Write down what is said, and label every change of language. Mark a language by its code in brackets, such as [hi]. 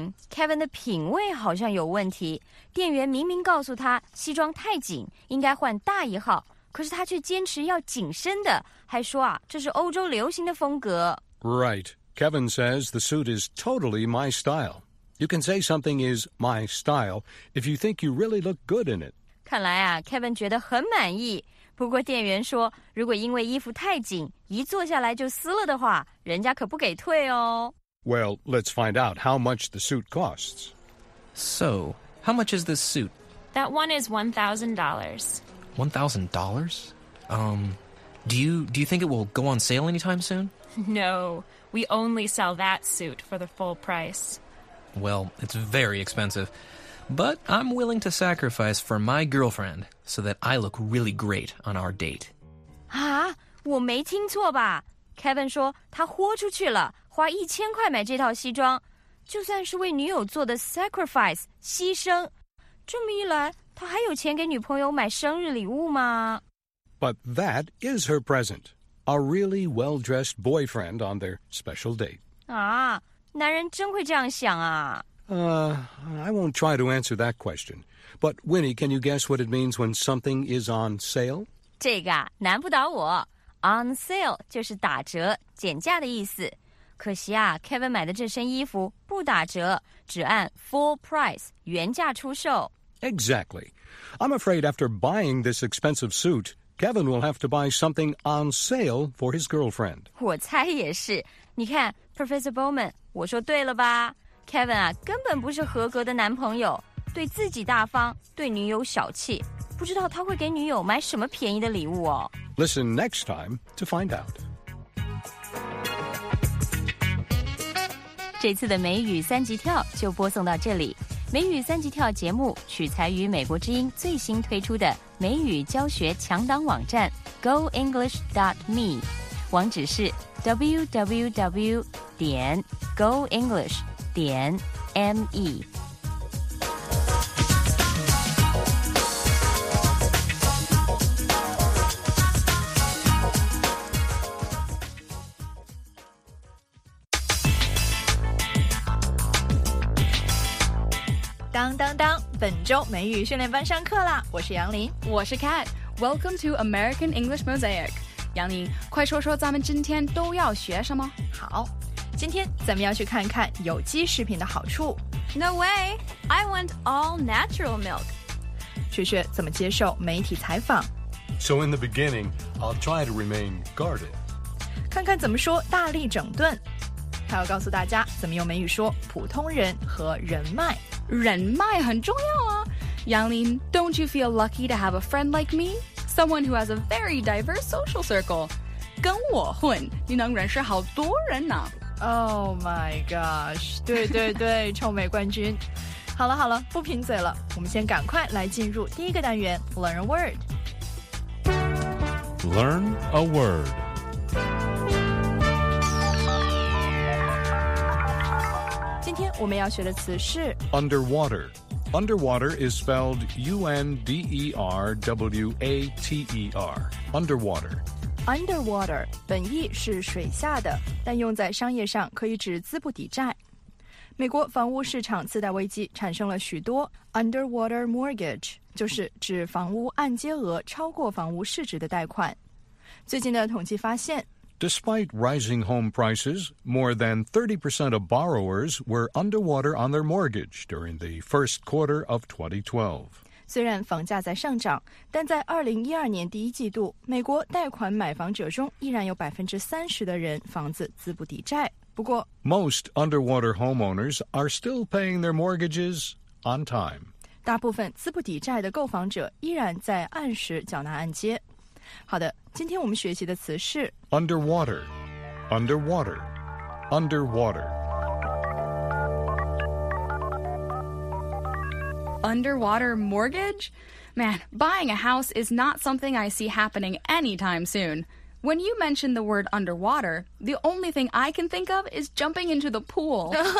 [zh] Kevin 的品味好像有问题。店员明明告诉他西装太紧，应该换大一号，可是他却坚持要紧身的，还说啊，这是欧洲流行的风格。 [en] Right. Kevin says the suit is totally my style. You can say something is my style if you think you really look good in it. [zh] 看来啊 ,Kevin 觉得很满意。不过店员说，如果因为衣服太紧，一坐下来就撕了的话，人家可不给退哦。 [en] Well, let's find out how much the suit costs. So, how much is this suit? That one is $1,000. $1,000? Do you think it will go on sale anytime soon? No, we only sell that suit for the full price. Well, it's very expensive. But I'm willing to sacrifice for my girlfriend so that I look really great on our date. [zh] 啊，我没听错吧？ Kevin 说他豁出去了，花1000块买这套西装，就算是为女友做的 sacrifice 牺牲。这么一来，他还有钱给女朋友买生日礼物吗？ [en] But that is her present, a really well-dressed boyfriend on their special date. [zh] 啊，男人真会这样想啊。 [en] I won't try to answer that question. But Winnie, can you guess what it means when something is on sale? [zh] 这个啊，难不倒我。 On sale 就是打折、减价的意思。可惜啊 ，Kevin 买的这身衣服不打折，只按 full price 原价出售。 [en] Exactly. I'm afraid after buying this expensive suit, Kevin will have to buy something on sale for his girlfriend. [zh] 我猜也是。你看 ，Professor Bowman， 我说对了吧 ？Kevin 啊，根本不是合格的男朋友，对自己大方，对女友小气。不知道他会给女友买什么便宜的礼物哦。 [en] Listen next time to find out. [zh] 这次的美语三级跳就播送到这里。美语三级跳节目取材于美国之音最新推出的美语教学强档网站 goenglish.me， 网址是 www.goenglish.me。当当当，本周美语训练班上课啦！我是杨林，我是 [en] Kat。Welcome to American English Mosaic。 [zh] 杨林，快说说咱们今天都要学什么？好，今天咱们要去看看有机食品的好处。 [en] No way! I want all natural milk. [zh] 雪雪怎么接受媒体采访？ [en] So in the beginning, I'll try to remain guarded. [zh] 看看怎么说大力整顿。他要告诉大家怎么用美语说普通人和人脉。人脉很重要啊。 [en] 杨林， don't you feel lucky to have a friend like me? Someone who has a very diverse social circle. [zh] 跟我混，你能认识好多人呢。 [en] Oh my gosh, [zh] 对对对，臭美冠军。好了好了，不贫嘴了，我们先赶快来进入第一个单元 Learn a Word。 [en] Learn a Word。 [zh] 我们要学的词是 [en] underwater. Underwater is spelled U-N-D-E-R-W-A-T-E-R. Underwater. [zh] Underwater 本意是水下的，但用在商业上可以指资不抵债。美国房屋市场次贷危机产生了许多 underwater mortgage， 就是指房屋按揭额超过房屋市值的贷款。最近的统计发现， [en] Despite rising home prices, more than 30% of borrowers were underwater on their mortgage during the first quarter of 2012. [zh] 虽然房价在上涨，但在2012年第一季度，美国贷款买房者中依然有 30% 的人房子资不抵债。不过 [en] Most underwater homeowners are still paying their mortgages on time. [zh] 大部分资不抵债的购房者依然在按时缴纳按揭。好的，今天我们学习的词是 [en] underwater, underwater, underwater. Underwater mortgage? Man, buying a house is not something I see happening anytime soon. When you mention the word underwater, the only thing I can think of is jumping into the pool.